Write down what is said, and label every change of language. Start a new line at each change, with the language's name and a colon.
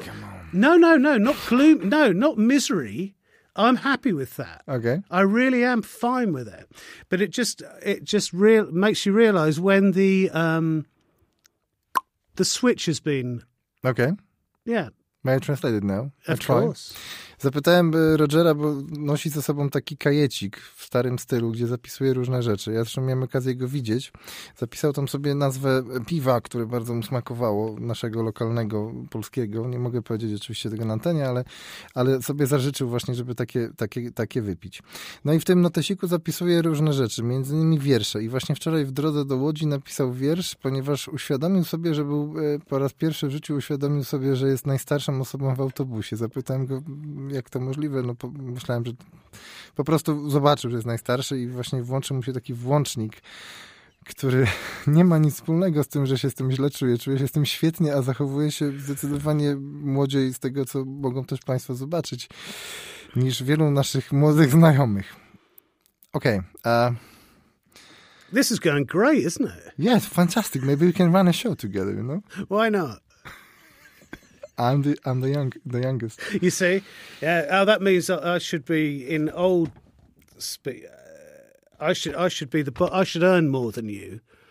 English: Come on. No, not gloom. No, not misery. I'm happy with that. Okay. I really am fine with it. But it just makes you realize when the switch has been. Okay. Yeah. May I translate it now? Of course.
Polish: Zapytałem Rogera, bo nosi ze sobą taki kajecik w starym stylu, gdzie zapisuje różne rzeczy. Ja zresztą miałem okazję go widzieć. Zapisał tam sobie nazwę piwa, które bardzo mu smakowało, naszego lokalnego, polskiego. Nie mogę powiedzieć oczywiście tego na antenie, ale sobie zażyczył właśnie, żeby takie wypić. No i w tym notesiku zapisuje różne rzeczy, między innymi wiersze. I właśnie wczoraj w drodze do Łodzi napisał wiersz, ponieważ uświadomił sobie, że był po raz pierwszy w życiu uświadomił sobie, że jest najstarszą osobą w autobusie. Zapytałem go, jak to możliwe. No myślałem, że po prostu zobaczył, że jest najstarszy i właśnie włączył mu się taki włącznik, który nie ma nic wspólnego z tym, że się z tym źle czuję. Czuję się z tym świetnie, a zachowuje się zdecydowanie młodziej z tego, co mogą też Państwo zobaczyć, niż wielu naszych młodych znajomych. Okej.
English: This is going great, isn't it? Yeah, it's fantastic. Maybe we can run a show together, you know? Why not? I'm the youngest. You see? Yeah, oh, that means that I should be in old speed. I should earn more than you.